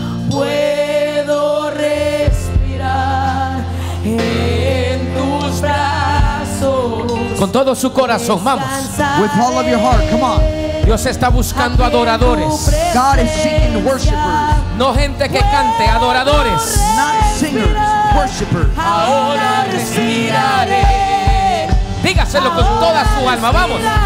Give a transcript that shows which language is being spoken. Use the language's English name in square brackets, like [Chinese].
[Spanish] Puedo respirar en tus brazos. Con todo su corazón, vamos. [English] With all of your heart, come on. [Spanish] Dios está buscando adoradores. [English] God is seeking worshipers. [Spanish] No gente que cante, adoradores. [English] Not singers, worshipers. [Spanish] Ahora respiraré. Dígaselo con toda su alma, vamos.